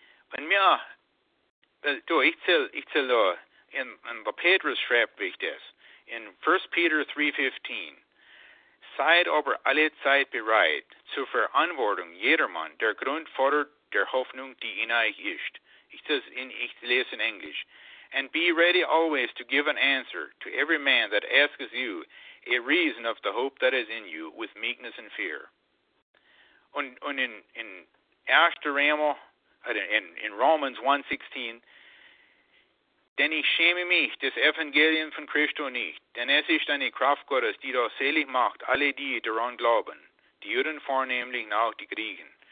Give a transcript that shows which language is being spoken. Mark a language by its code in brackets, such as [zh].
[pdc] Wenn mir, ich zähle, in der Petrus schreibt, wie ich das, in 1. [de] Peter 3,15, seid aber alle Zeit bereit zur Verantwortung jedermann, der Grund fordert der Hoffnung, die in euch ist. [pdc] Ich lese in Englisch. [en] And be ready always to give an answer to every man that asks you a reason of the hope that is in you with meekness and fear. [de] Und in Erster Römer, in Romans 1,16, denn ich schäme mich des Evangeliums von Christo nicht, denn es ist eine Kraft Gottes, die doch selig macht, alle die daran glauben, die Juden vornehmlich auch die Griechen.